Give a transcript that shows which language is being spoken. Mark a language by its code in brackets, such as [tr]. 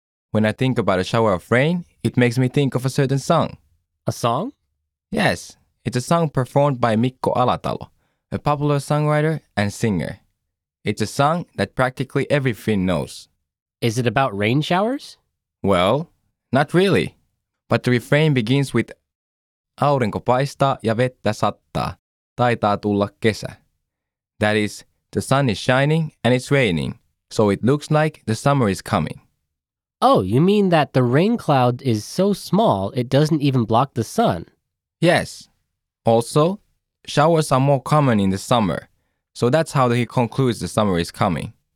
[en] When I think about a shower of rain, it makes me think of a certain song. A song? Yes, it's a song performed by Mikko Alatalo, a popular songwriter and singer. It's a song that practically every Finn knows. Is it about rain showers? Well, not really. But the refrain begins with [fi] aurinko paistaa ja vettä sattaa, taitaa tulla kesä. [en] That is, the sun is shining and it's raining, so it looks like the summer is coming. Oh, you mean that the rain cloud is so small it doesn't even block the sun? Yes. Also, showers are more common in the summer, so that's how he concludes the summer is coming.